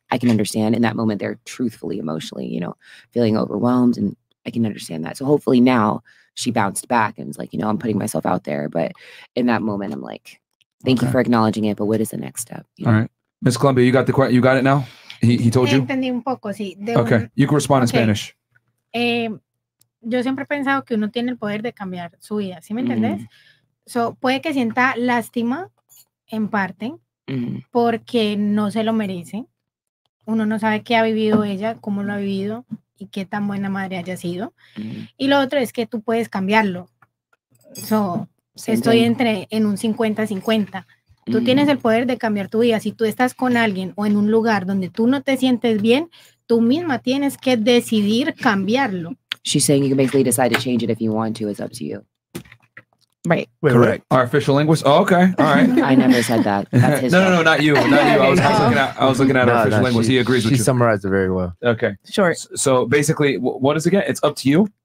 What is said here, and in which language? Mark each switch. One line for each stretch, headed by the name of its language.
English: I can understand in that moment, they're truthfully emotionally, you know, feeling overwhelmed, and I can understand that. So hopefully now she bounced back and was like, you know, I'm putting myself out there. But in that moment, I'm like, thank okay. you for acknowledging it, but what is the next step? You know? All right. Miss Columbia, you got the question. You got it now? He told you?
Spanish: Entendí un poco, sí.
English: Okay. You can respond in Spanish.
Spanish: Yo siempre he pensado que uno tiene el poder de cambiar su vida. ¿Sí me entendés? So, puede que sienta lástima en parte porque no se lo merece. Uno no sabe qué ha vivido ella, cómo lo ha vivido y qué tan buena madre haya sido. Y lo otro es que tú puedes cambiarlo. So, estoy en un 50-50. Tú tienes el poder de cambiar tu vida. Si tú estás con alguien o en un lugar donde tú no te sientes bien, tú misma tienes que decidir cambiarlo.
English: She's saying you can basically decide to change it if you want to. It's up to you. Right. Wait, correct. Wait. Our official linguist. Oh, okay. All right. I never said that. That's his no, not you. Not you. I was looking at our official linguist. He agrees with you. She summarized it very well. Okay. Sure. So basically, what is it again? It's up to you?